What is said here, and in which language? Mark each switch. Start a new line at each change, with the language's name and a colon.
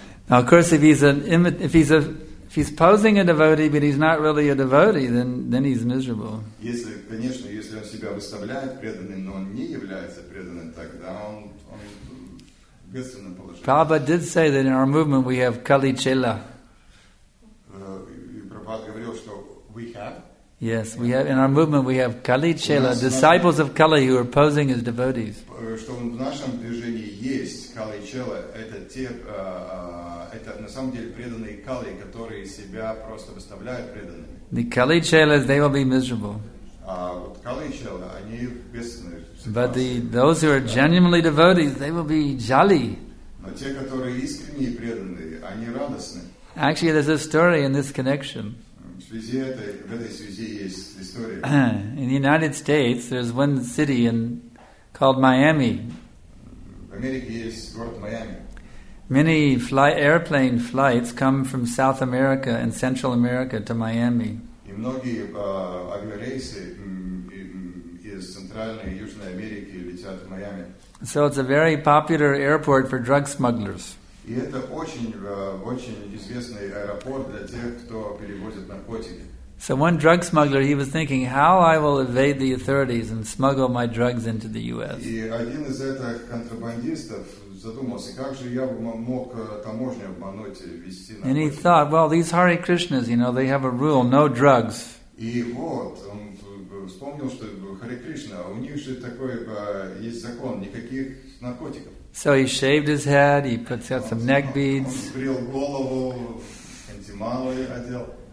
English: Now, of course, if he's posing a devotee, but he's not really a devotee, then he's miserable.
Russian: Если, конечно, если он себя выставляет преданным, но он не является преданным, тогда он в бедственном положении.
English: Prabhupada did say that in our movement we have Kali Chela.
Russian: Prabhupada говорил, что
English: we have. Yes, we have in our movement we have Kali Chela, disciples of Kali who are posing as devotees.
Russian: Что в нашем движении есть Kali Chela, это те. Это на самом деле преданные кали, которые себя просто выставляют преданными.
English: The kali chelas, they will be miserable.
Russian: А вот kali chela, они бессмертны.
English: But those who are genuinely devotees, they will be jolly.
Russian: Но те, которые искренне преданные, они радостны.
English: Actually, there's a story in this connection.
Russian: В этой связи есть история.
English: In the United States, there's one city called Miami.
Russian: В Америке есть город Майами.
English: Many airplane flights come from South America and Central America to Miami.
Russian: И многие авиарейсы из Центральной и Южной Америки летят в Майами.
English: So it's a very popular airport for drug smugglers.
Russian: И это очень известный аэропорт для тех, кто перевозит наркотики.
English: So one drug smuggler, he was thinking, how I will evade the authorities and smuggle my drugs into the U.S.
Russian: И один из этих контрабандистов задумался, как же я мог таможню обмануть и ввести наркотики.
English: And he thought, well, these Hare Krishnas, you know, they have a rule, no drugs.
Russian: И вот, он вспомнил, что Hare Krishna, у них же такой есть закон, никаких наркотиков.
English: So he shaved his head, he put out some neck beads.
Russian: Он сбрил голову, антималы одел.